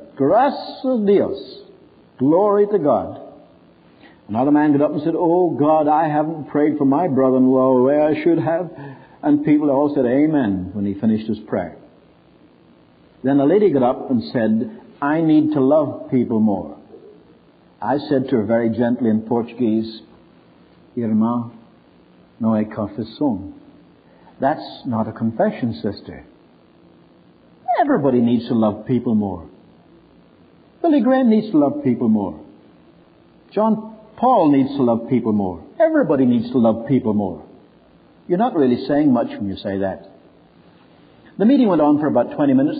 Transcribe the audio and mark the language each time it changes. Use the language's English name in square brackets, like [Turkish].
[Spanish] Gracias a Dios. [English] Glory to God. Another man got up and said, oh God, I haven't prayed for my brother-in-law the way I should have. And people all said amen when he finished his prayer. Then a lady got up and said, I need to love people more. I said to her very gently in Portuguese, [Portuguese] Irmã, não é confissão. [English] That's not a confession, sister. Everybody needs to love people more. Billy Graham needs to love people more. John Paul needs to love people more. Everybody needs to love people more. You're not really saying much when you say that. The meeting went on for about 20 minutes.